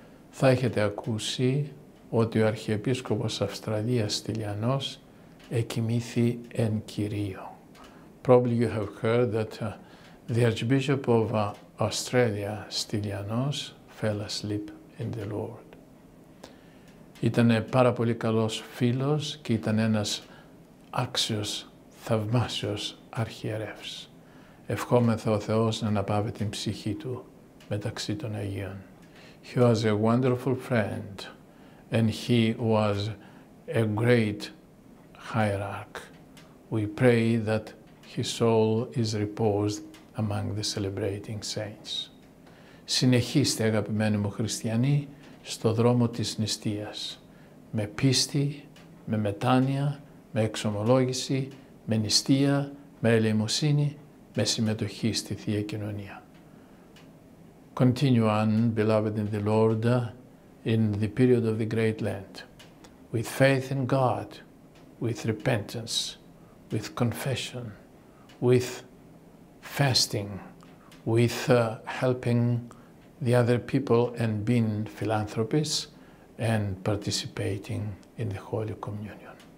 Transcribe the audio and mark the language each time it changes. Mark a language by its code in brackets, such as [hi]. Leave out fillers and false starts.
[el] Θα έχετε ακούσει ότι ο Αρχιεπίσκοπος Αυστραλίας Στυλιανός εκοιμήθη εν Κυρίω. [en] Probably you have heard that the Archbishop of Australia, Στυλιανός, fell asleep in the Lord. [el] Ήταν πάρα πολύ καλός φίλος και ήταν ένας άξιος, θαυμάσιος αρχιερεύς. Ευχόμεθα ο Θεός να αναπαύει την ψυχή του μεταξύ των Αγίων. [en] He was a wonderful friend and he was a great hierarch. We pray that his soul is reposed among the celebrating saints. [el] Συνεχίστε, αγαπημένοι μου χριστιανοί, στο δρόμο της νηστείας, με πίστη, με μετάνοια, με εξομολόγηση, με νηστεία, με ελεημοσύνη, με συμμετοχή στη Θεία Κοινωνία. [en] Continue on, beloved in the Lord, in the period of the Great Lent, with faith in God, with repentance, with confession, with fasting, with helping the other people and being philanthropists and participating in the Holy Communion.